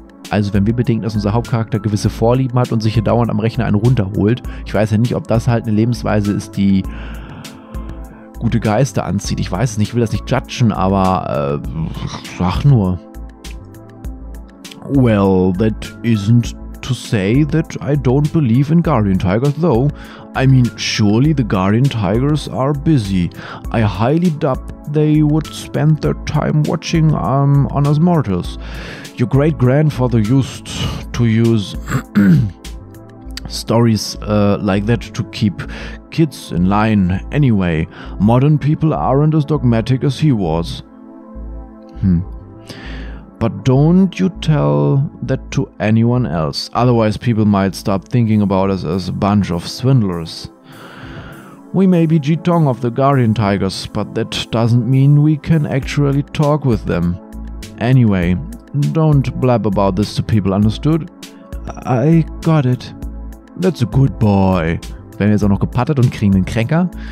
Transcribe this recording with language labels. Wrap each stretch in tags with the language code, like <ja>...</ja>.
<de>Also wenn wir bedenken, dass unser Hauptcharakter gewisse Vorlieben hat und sich hier dauernd am Rechner einen runterholt, ich weiß ja nicht, ob das halt eine Lebensweise ist, die gute Geister anzieht. Ich weiß es nicht, ich will das nicht judgen, aber sag nur.</de> <en>Well, that isn't to say that I don't believe in guardian tigers, though. I mean, surely the guardian tigers are busy. I highly doubt they would spend their time watching on us mortals. Your great-grandfather used to use stories like that to keep kids in line. Anyway, modern people aren't as dogmatic as he was. But don't you tell that to anyone else, otherwise people might start thinking about us as a bunch of swindlers. We may be Jitong of the Guardian Tigers, but that doesn't mean we can actually talk with them. Anyway, don't blab about this to people, understood? I got it. That's a good boy.</en> <de>Werden jetzt auch noch gepattet und kriegen einen Cracker?</de>